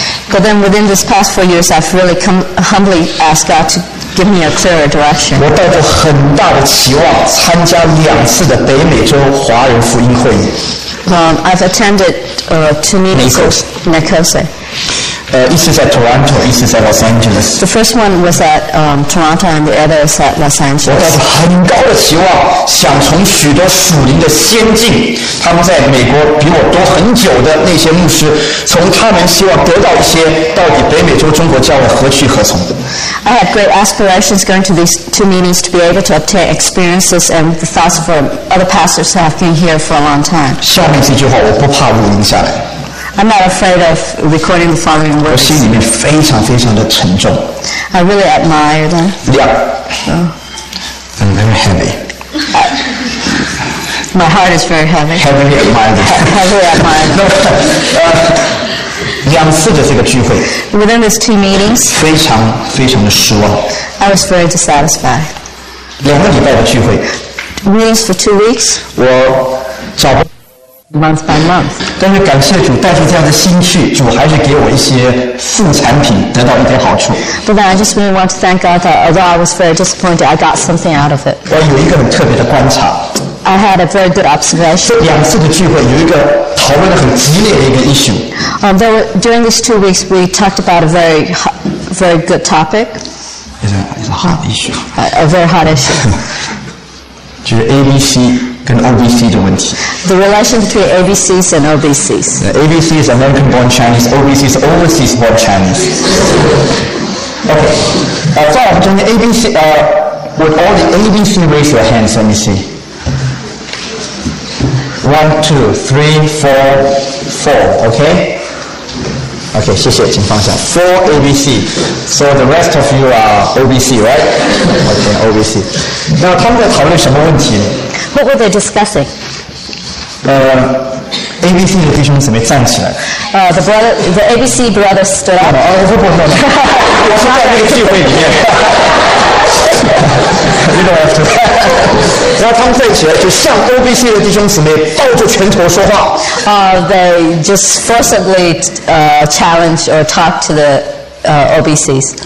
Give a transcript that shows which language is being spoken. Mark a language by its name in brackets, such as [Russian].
[English] But then within this past 4 years, I've really come humbly asked God to give me a clearer direction. [Chinese] 我带着很大的期望参加两次的北美洲华人福音会议。 [English] I've attended two meetings in Nicosia. [Chinese] 一次在 Toronto， 一次在 Los Angeles. [English] The first one was at Toronto, and the other is at Los Angeles. [Chinese] 我带着很高的期望，想从许多属灵的先进，他们在美国比我多很久的那些牧师，从他们希望得到一些到底北美洲中国教会何去何从。 [English] I had great aspirations going to these two meetings to be able to obtain experiences and the thoughts of other pastors who have been here for a long time. [Chinese] 下面这句话我不怕录音下来。 [English] I'm not afraid of recording the following words. [Chinese] 我心里面非常非常的沉重。 [English] I really admire them. Yeah. I'm very heavy. My heart is very heavy. Heavily admired. Heavily admired. [Chinese] 两次的这个聚会 [English] ，Within these two meetings， [Chinese] 非常非常的失望。 [English] I was very dissatisfied。 [Chinese] 两个礼拜的聚会 [English] ，Meetings for 2 weeks。 [Chinese] 我找不 [English] ，Month by month。 [Chinese] 但是感谢主，带着这样的心去，主还是给我一些副产品，得到一点好处。 [English] But then I just really want to thank God that although I was very disappointed, I got something out of it。 [Chinese] 我有一个很特别的观察。 [English] I had a very good observation。 [Chinese] 两次的聚会有一个讨论的很激烈的一个 issue。 [English] During these 2 weeks, we talked about a very very good topic. It's a hot issue. A very hot issue. [Chinese] 就是 ABC 跟 OBC 的问题。 [English] The relation between ABCs and OBCs. ABC is American-born Chinese. OBC is overseas-born Chinese. Okay. [Chinese] 在我们中间 [English] ABC, would all the ABC raise your hands? Let me see. 1, 2, 3, 4, 4. Okay. [Chinese] Okay, 谢谢，请放下。 [English] Four ABC. So the rest of you are OBC, right? Okay, OBC. [Chinese] 那他们在讨论什么问题？ [English] What were they discussing? [Chinese] ABC 的弟兄姊妹站起来。 [English] The ABC brothers stood up. No, no, no, no. [Chinese] 我是在那个聚会里面。 [English] You don't have to. [Chinese] 然后他们站起来，就向 OBC 的弟兄姊妹抱着拳头说话。 [English] They just forcibly challenge or talk to the OBCs.